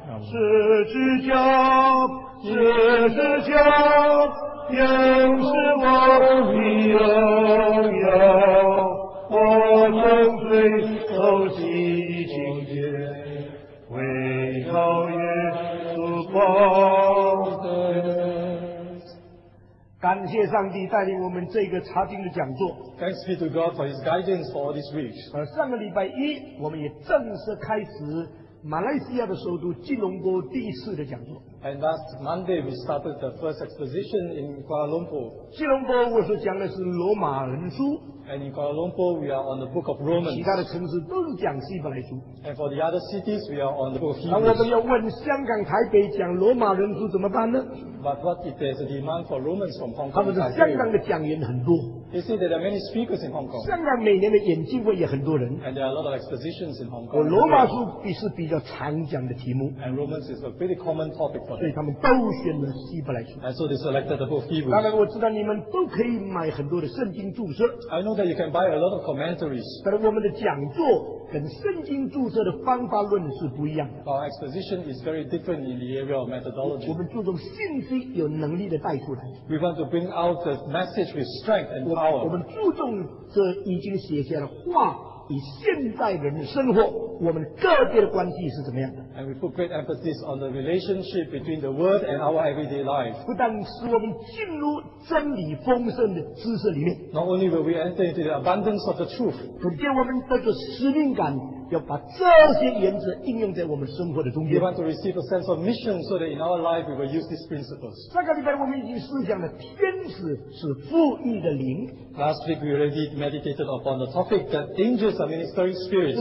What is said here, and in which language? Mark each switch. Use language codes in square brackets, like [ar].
[zh] 十字架，十字架，又是我的荣耀，我从罪受洗清洁，为超越主宝的。感谢上帝带领我们这个查经的讲座。 [en] Thanks be to God for His guidance for all this week. [zh] 上个礼拜一，我们也正式开始马来西亚的首都吉隆坡第一次的讲座。 [en] And last Monday we started the first exposition in Kuala Lumpur. [zh] 吉隆坡我所讲的是罗马人书。 [en] And in Kuala Lumpur we are on the book of Romans. [zh] 其他的城市都是讲希伯来书。 [en] And for the other cities we are on the book of Hebrews. [zh] 那我们要问香港、台北讲罗马人书怎么办呢？ [en] But what if there's a demand for Romans from Hong Kong? [zh] 他们是香港的讲员很多。 [en] You see, there are many speakers in Hong Kong. [zh] 香港每年的演讲会也很多人。 [en] And there are a lot of expositions in Hong Kong. [zh] 我罗马书是比较常讲的题目。 [en] And Romans is a pretty common topic for them. [zh] 所以他们都选了希伯来书。 [en] And so they selected the book of Hebrews. [zh] 当然我知道你们都可以买很多的圣经注释。 [en] I know that you can buy a lot of commentaries. [zh] 但是我们的讲座跟圣经注释的方法论是不一样的。 [en] Our exposition is very different in the area of methodology. [zh] 我们注重信息有能力的带出来。 [en] We want to bring out the message with strength and power. [zh] 我们注重这已经写下的话，以现代人的生活，我们个别的关系是怎么样的。 [en] And we put great emphasis on the relationship between the Word and our everyday life. [zh] 不但使我们进入真理丰盛的知识里面, [en] not only will we enter into the abundance of the truth, [zh] 可见我们这个使命感, [en] we want to receive a sense of mission so that in our life we will use these principles. [zh] 这个礼拜我们已经思想了天使是父意的灵, [en] last week we already meditated upon the topic that angels are ministering spirits.